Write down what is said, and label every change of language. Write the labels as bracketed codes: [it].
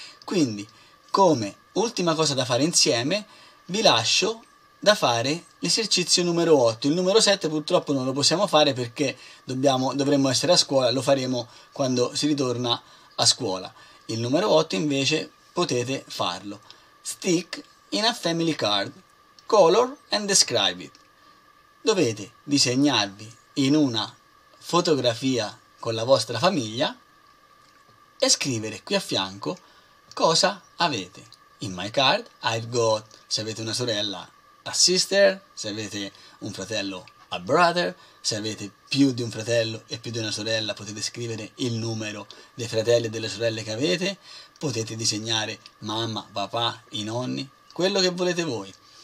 [it] Quindi, come ultima cosa da fare insieme, vi lascio da fare l'esercizio numero 8. Il numero 7 purtroppo non lo possiamo fare perché dovremmo essere a scuola, lo faremo quando si ritorna a scuola. Il numero 8 invece potete farlo. [en] Stick in a family card, color and describe it. [it] Dovete disegnarvi in una fotografia con la vostra famiglia e scrivere qui a fianco cosa avete. [en] In my card I've got, [it] se avete una sorella, [en] a sister, [it] se avete un fratello, [en] a brother, [it] se avete più di un fratello e più di una sorella potete scrivere il numero dei fratelli e delle sorelle che avete, potete disegnare mamma, papà, i nonni, quello che volete voi.